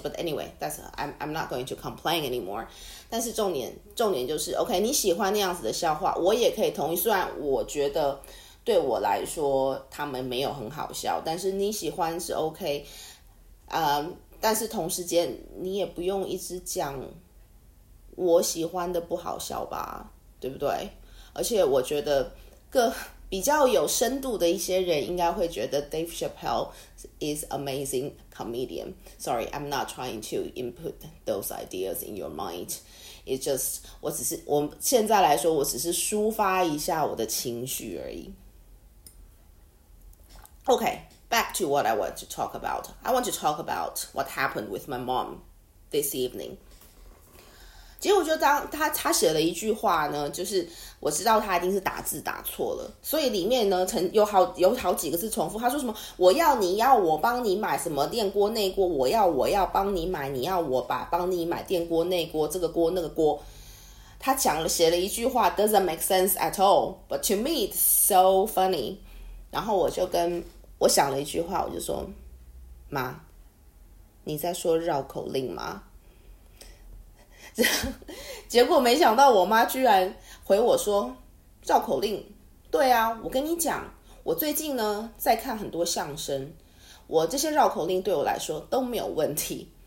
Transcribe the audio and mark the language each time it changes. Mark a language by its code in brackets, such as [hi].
[en] But anyway， that's I'm not going to complain anymore。 [zh] 但是重点就是 OK， 你喜欢那样子的笑话，我也可以同意。虽然我觉得对我来说他们没有很好笑，但是你喜欢是 OK。但是同时间你也不用一直讲我喜欢的不好笑吧，对不对？而且我觉得各比较有深度的一些人应该会觉得 [en] Dave Chappelle is amazing comedian. Sorry, I'm not trying to input those ideas in your mind. It's just, [zh] 我现在来说我只是抒发一下我的情绪而已。 [en] OK, back to what I want to talk about. I want to talk about what happened with my mom this evening. [zh] 结果就当他写了一句话呢，就是我知道他一定是打字打错了，所以里面呢有好几个字重复。他说什么我要你要我帮你买什么电锅内锅，我要帮你买，你要我把帮你买电锅内锅这个锅那个锅。他讲了写了一句话 [en] doesn't make sense at all, but to me it's so funny. [zh] 然后我想了一句话，我就说妈，你在说绕口令吗？结果没想到我妈居然回我说绕口令，对啊，我跟你讲，我最近呢在看很多相声，我这些绕口令对我来说都没有问题。